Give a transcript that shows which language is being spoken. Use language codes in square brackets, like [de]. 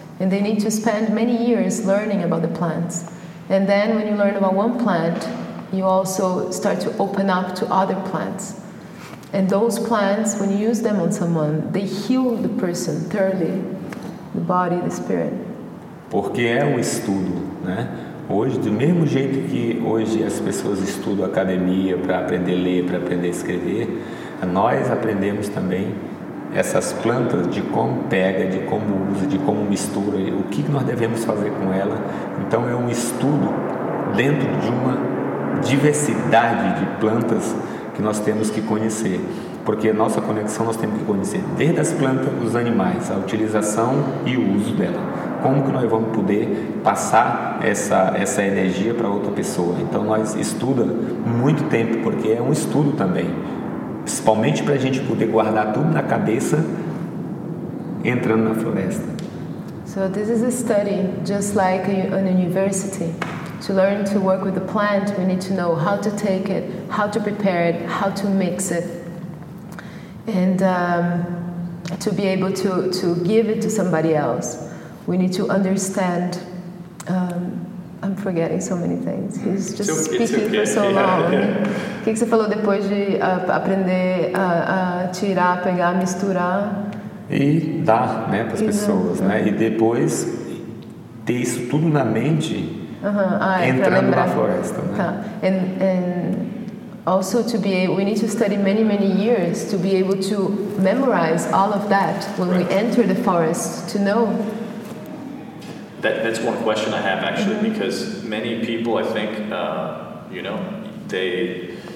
[en] And they need to spend many years learning about the plants. And then when you learn about one plant, you also start to open up to other plants. And those plants, when you use them on someone, they heal the person thoroughly, the body, the spirit. [pt] Porque é um estudo, né? Hoje, do mesmo jeito que hoje as pessoas estudam academia para aprender a ler, para aprender a escrever, nós aprendemos também essas plantas, de como pega, de como usa, de como mistura, o que nós devemos fazer com ela. Então é um estudo dentro de uma diversidade de plantas que nós temos que conhecer. Porque a nossa conexão nós temos que conhecer desde as plantas, os animais, a utilização e o uso dela. Como que nós vamos poder passar essa energia para outra pessoa? Então nós estudamos muito tempo, porque é um estudo também. Principalmente para a gente poder guardar tudo na cabeça entrando na floresta. [en] So this is a study, just like an university. To learn to work with the plant, we need to know how to take it, how to prepare it, how to mix it. And to be able to give it to somebody else, we need to understand. I'm forgetting so many things. He's just speaking for so long. Yeah. [pt] O que você falou depois de aprender a tirar, pegar, misturar? E dar, né, para as pessoas, né? E depois ter isso tudo na mente, entrando na floresta, né? Tá. [en] And also we need to study many, many years to be able to memorize all of that when we enter the forest, to know. That's one question I have, actually, because many people, I think, you know, they...